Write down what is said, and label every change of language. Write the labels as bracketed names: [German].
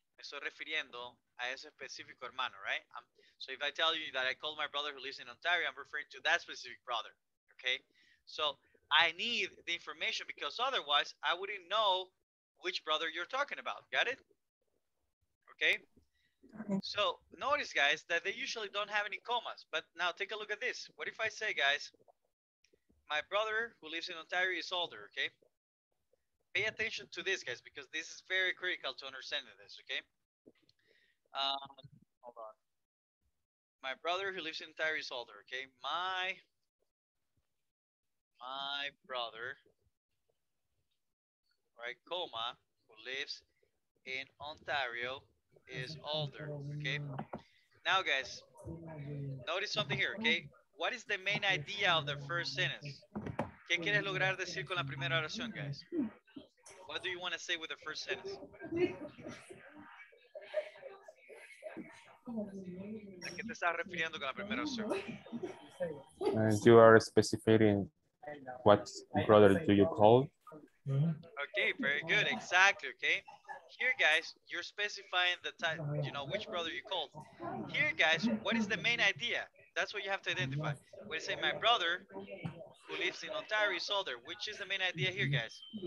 [Spanish] Me estoy refiriendo a ese específico hermano, right? [English] So if I tell you that I called my brother who lives in Ontario, I'm referring to that specific brother, okay? So I need the information because otherwise I wouldn't know which brother you're talking about. Got it? Okay? So notice, guys, that they usually don't have any commas. But now take a look at this. What if I say, guys, my brother who lives in Ontario is older, okay? Pay attention to this, guys, because this is very critical to understanding this, okay? Hold on. My brother who lives in Ontario is older, okay? My brother, right, comma, who lives in Ontario is older, okay? Now, guys, notice something here, okay? What is the main idea of the first sentence? [Spanish] ¿Qué quieres lograr decir con la primera oración, guys? [English] What do you want to say with the first sentence? [Spanish] ¿A qué te estás refiriendo con la primera oración? [English] You are specifying what brother do you call. Okay, very good. Exactly, okay? Here, guys, you're specifying the type, you know, which brother you called. Here, guys, what is the main idea? That's what you have to identify. When you say my brother who lives in Ontario is older, which is the main idea here, guys?